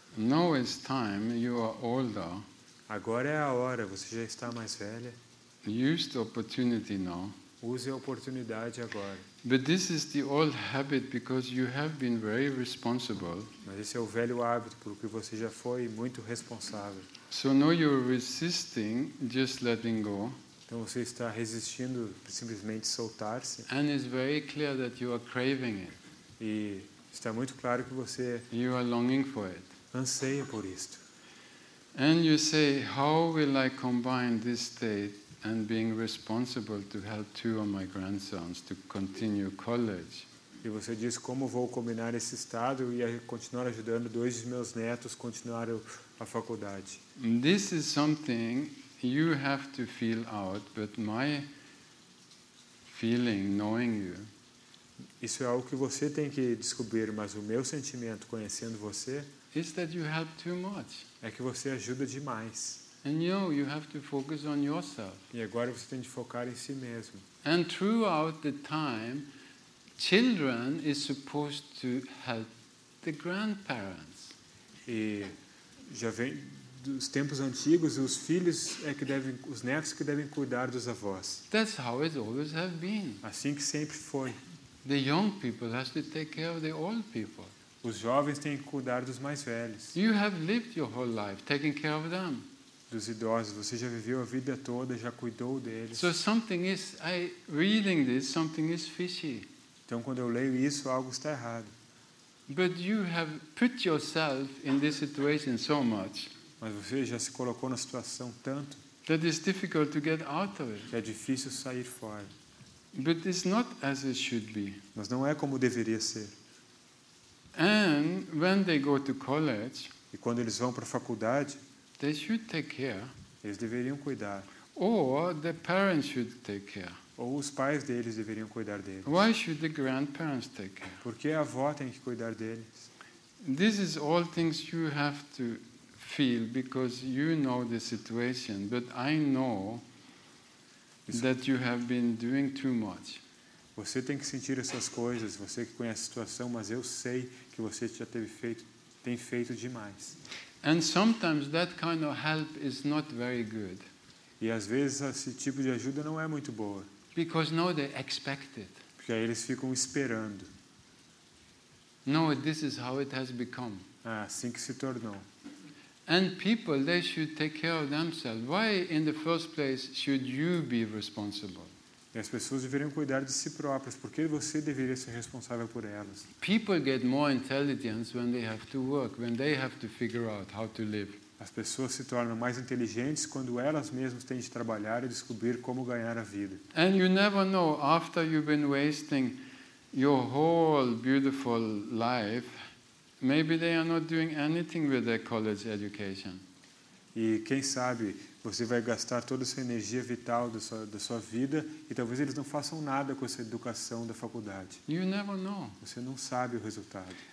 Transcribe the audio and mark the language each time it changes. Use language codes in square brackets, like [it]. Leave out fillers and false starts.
[en] Now is time, you are older. [pt] Agora é a hora, você já está mais velha. [en] Use the opportunity now. [pt] Use a oportunidade agora. [en] But this is the old habit because you have been very responsible. [pt] Mas esse é o velho hábito porque você já foi muito responsável. [en] So now you're resisting just letting go. [pt] Então você está resistindo simplesmente soltar-se. [en] And it's very clear that you are craving it. [pt] E está muito claro que você [en] you are longing for it. [pt] Anseia por isto. [en] And you say, how will I combine this state and being responsible to help two of my grandsons to continue college? [pt] E você diz, como vou combinar esse estado e continuar ajudando dois de meus netos continuar a faculdade? [en] This is something you have to feel out, but my feeling, knowing you, [pt] isso é algo que você tem que descobrir, mas o meu sentimento conhecendo você [en] is that you help too much. [pt] É que você ajuda demais. [en] And you have to focus on yourself. [pt] E agora você tem de focar em si mesmo. [en] And throughout the time, children is supposed to help the grandparents. [pt] E já vem dos tempos antigos, os filhos é que devem, os netos que devem cuidar dos avós. [en] That's how it always have been. [pt] Assim que sempre foi. [en] The young people have to take care of the old people. [pt] Os jovens têm que cuidar dos mais velhos. [en] You have lived your whole life taking care of them. [pt] Dos idosos, você já viveu a vida toda, já cuidou deles. [en] So something is, I reading this, something is fishy. [pt] Então quando eu leio isso, algo está errado. [en] But you have put yourself in this situation so much. [pt] Mas você já se colocou na situação tanto. [en] That it's difficult to get out of it. [pt] Que é difícil sair fora. [en] But it's not as it should be. [pt] Mas não é como deveria ser. [en] And when they go to college, [pt] e quando eles vão para a faculdade, [en] they should take care. [pt] Eles deveriam cuidar. [en] Or the parents should take care. [pt] Ou os pais deles deveriam cuidar deles. [en] Why should the grandparents take care? [pt] Porque a avó tem que cuidar deles. [en] This is all things you have to feel because you know the situation, but I know [pt] isso. [en] That you have been doing too much. [pt] Você tem que sentir essas coisas, você que conhece a situação, mas eu sei que você já tem feito demais. [en] And sometimes that kind of help is not very good. [pt] E às vezes esse tipo de ajuda não é muito boa. [en] Because now they expect it. [pt] Porque aí eles ficam esperando. [en] No, this is how it has become. [pt] Ah, assim que se tornou. [en] And people, they should take care of themselves. Why, in the first place, should you be responsible? [pt] E as pessoas deveriam cuidar de si próprias. Por que você deveria ser responsável por elas? [en] People get more intelligence when they have to work, when they have to figure out how to live. [pt] As pessoas se tornam mais inteligentes quando elas mesmas têm de trabalhar e descobrir como ganhar a vida. [en] And you never know after you've been wasting your whole beautiful life, maybe they are not doing anything with their college education. [pt] E quem sabe você vai gastar toda essa energia vital da sua vida e talvez eles não façam nada com essa educação da faculdade. [en] You never know. [pt] Você não sabe o resultado.